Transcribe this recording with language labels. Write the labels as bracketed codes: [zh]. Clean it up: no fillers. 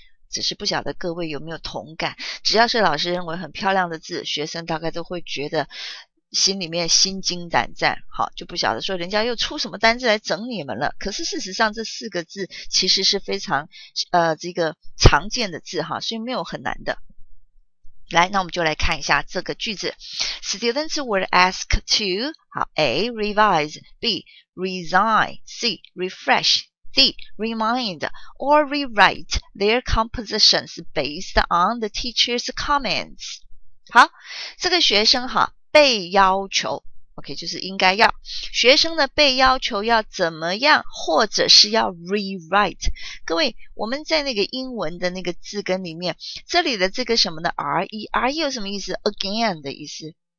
[zh] 只是不晓得各位有没有同感，只要是老师认为很漂亮的字，学生大概都会觉得心里面心惊胆战，好，就不晓得说人家又出什么单字来整你们了。可是事实上这四个字其实是非常这个常见的字哈，所以没有很难的。来，那我们就来看一下这个句子。 [en] Students were asked to, 好， A, revise, B, resign, C, refresh,D, remind or rewrite their compositions based on the teacher's comments. [zh] 好，这个学生哈，被要求， OK， 就是应该要。学生呢，被要求要怎么样，或者是要 rewrite。各位，我们在那个英文的那个字根里面，这里的这个什么呢 ?re,re 有什么意思 ?again 的意思。